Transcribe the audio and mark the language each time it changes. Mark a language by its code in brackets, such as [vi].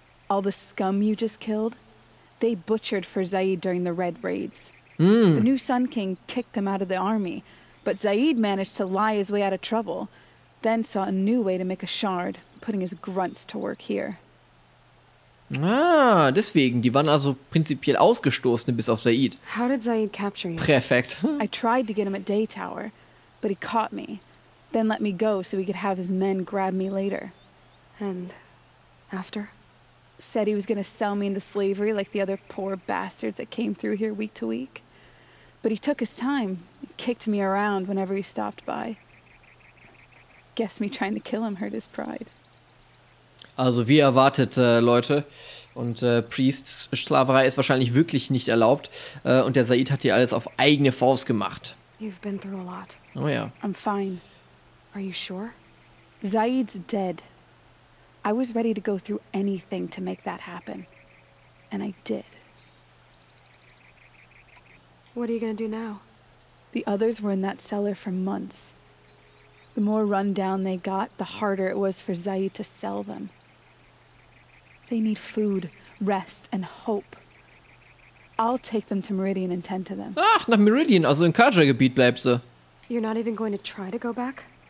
[en] All the scum you just killed? They butchered for Zaid during the Red Raids. Mm. The new Sun King kicked them out of the army, but Zaid managed to lie his way out of trouble, then saw a new way to make a shard, putting his grunts to work here. [de] Ah, deswegen. Die waren also prinzipiell Ausgestoßene, bis auf Zaid. [en] How did Zaid capture you? [de] Perfekt. [en] I tried to get him at Day Tower, but he caught me. Then let me go so he could have his men grab me later. And after? Said he was gonna sell me into slavery like the other poor bastards that came through here week to week. But he took his time, kicked me around whenever he stopped by. Guess me trying to kill him hurt his pride. [de] Also wie erwartet, Leute. Und Priest-Sklaverei ist wahrscheinlich wirklich nicht erlaubt. Und der Zaid hat hier alles auf eigene Faust gemacht. [en] You've been through a lot. [de] Oh ja. [en] I'm fine. Are you sure? Zaid's dead. I was ready to go through anything to make that happen. And I did. What are you gonna do now? The others were in that cellar for months. The more run down they got, the harder it was for Zaid to sell them. They need food, rest, and hope. I'll take them to Meridian and tend to them. [de] Ach, nach Meridian, also im Kaja-Gebiet bleibst du. [en] You're not even going to try to go back?